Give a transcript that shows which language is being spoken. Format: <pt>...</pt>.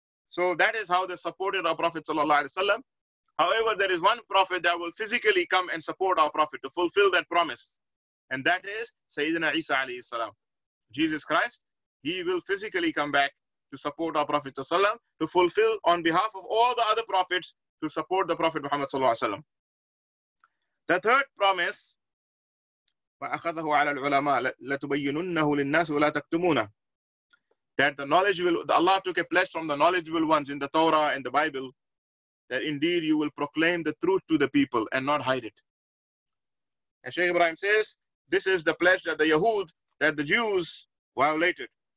<en>So that is how they supported our Prophet sallallahu alaihi wasallam. However, there is one prophet that will physically come and support our Prophet to fulfill that promise. And that is Sayyidina Isa alayhi salam. Jesus Christ, he will physically come back to support our Prophet sallallahu alaihi wasallam, to fulfill on behalf of all the other prophets to support the Prophet Muhammad sallallahu alaihi wasallam. The third promise,</en> <ar>وَأَخَذَهُ عَلَى الْعُلَمَاءِ لَتُبَيِّنُنَّهُ لِلنَّاسِ وَلَا تَكْتُمُونَ.</ar> <en>That the knowledgeable, Allah took a pledge from the knowledgeable ones in the Torah and the Bible, that indeed you will proclaim the truth to the people and not hide it. And Shaykh Ibrahim says, this is the pledge that the Yahud, that the Jews violated.</en>